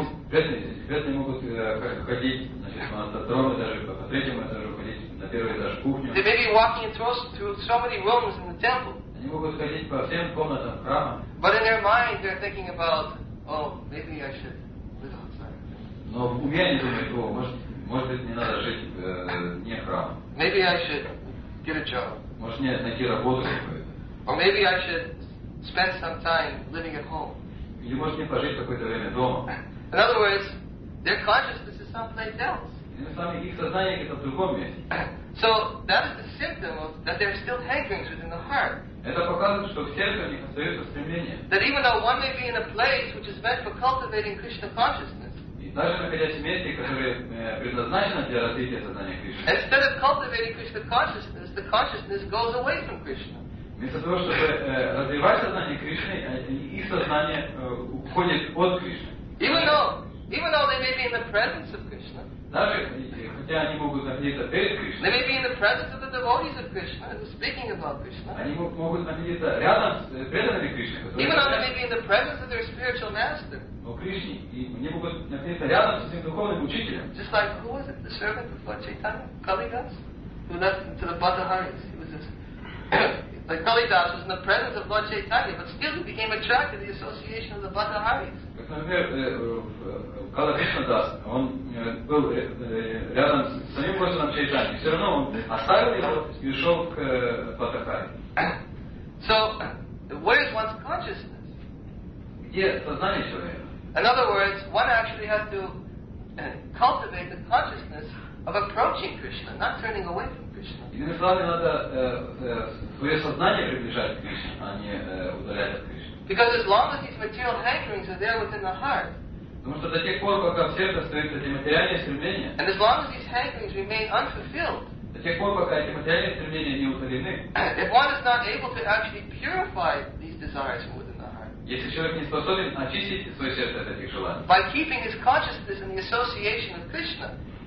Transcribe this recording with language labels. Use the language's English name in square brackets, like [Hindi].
[Russian] Бедные могут ходить, значит, на втором этаже, по третьему этажу ходить, на первый этаж кухню. [English] They may be walking through so many rooms in the temple. [Russian] Они могут ходить по всем комнатам храма. [English] But in their mind, they're thinking about, oh, maybe I should live outside. [Russian] Но в уме они думают, о, может быть, не надо жить вне храма. [English] Maybe I should get a job. [Russian] Может, мне найти работу какую-то. [English] Or maybe I should spend some time living at home. [Russian] Или может не пожить какое-то время дома. [English] In other words, their consciousness is someplace else. [Russian] Иными словами, их сознание где-то в другом месте. [English] So that is the symptom of that there are still hankerings within the heart. [Russian] Это показывает, что в сердце у них остается стремление. [English] That even though one may be in a place which is meant for cultivating Krishna consciousness. [Russian] даже находясь в месте, которое предназначено для развития сознания Кришны. [English] Instead of cultivating Krishna consciousness, the consciousness goes away from Krishna. [Russian] Вместо того, чтобы развивать сознание Кришны, их сознание уходит от Кришны. [English] Even though they may be in the presence of Krishna. [Russian] Даже хотя они могут находиться перед Кришной. [English] They may be in the presence of the devotees of Krishna, speaking about Krishna. [Russian] Они могут находиться рядом с преданными Кришны. [English] Even though they may be in the presence of their spiritual master. [Russian] О Кришне, и они могут находиться рядом с своим духовным учителем. [English] Just like who was it, the servant of Lord Chaitanya, Kalidas, who left to the Bhattaharis. He was just like Kalidas was in the presence of Lord Chaitanya, but still he became attracted to the association of the Bhattaharis. [Russian] Например, Кала Кришна Дас, он был рядом с самим Господом Чайтани. Все равно он оставил его и ушел к Патахаре. [English] So, where is one's consciousness? [Russian] Где сознание человека? [English] In other words, one actually has to cultivate the consciousness of approaching Krishna, not turning away from Krishna. [Russian] Иными словами, надо свое сознание приближать к Кришне, а не удалять от Кришны. [English] Because as long as these material hankerings are there within the heart, and as long as these hankerings remain unfulfilled, if one is not able to actually purify these desires from within the heart, by keeping his consciousness in the association of Krishna,